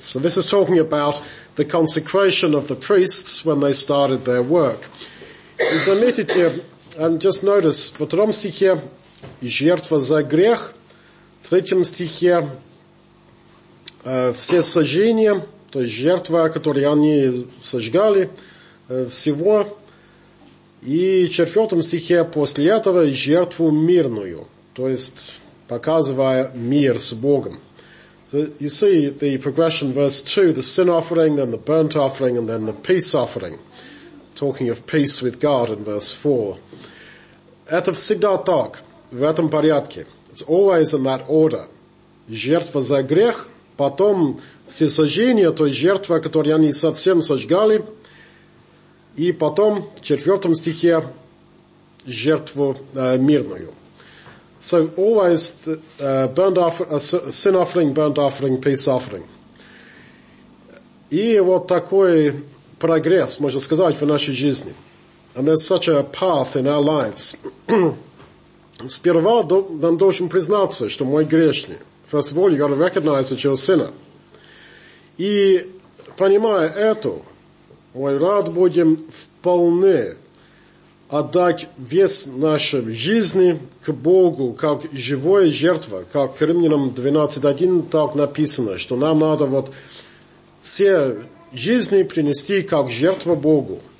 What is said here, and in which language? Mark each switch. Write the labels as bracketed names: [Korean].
[English] So this is talking about the consecration of the priests when they started their work. [Russian] И заметите, [English] and just notice, [Russian] в втором стихе жертва за грех, в третьем стихе все сожжения, то есть жертва, которую они сожгали, всего. И в четвертом стихе после этого жертву мирную, то есть показывая мир с Богом. [English] So you see the progression, verse 2, the sin offering, then the burnt offering, and then the peace offering, talking of peace with God in verse 4. [Russian] Это всегда так, в этом порядке. [English] It's always in that order. [Russian] Жертва за грех, потом всесожжение, то есть жертва, которую они совсем сожгали, и потом в четвертом стихе жертву мирную. [English] So always sin offering, burnt offering, peace offering. [Russian] И вот такой прогресс, можно сказать, в нашей жизни. [English] And there's such a path in our lives. [Russian] Сперва нам должен признаться, что мы грешны. [English] First of all, you've got to recognize that you're a sinner. [Russian] И понимая это, мы рад будем вполне отдать весь нашу жизнь к Богу, как живая жертва, как к Римлянам 12.1 так написано, что нам надо вот все жизни принести как жертву Богу.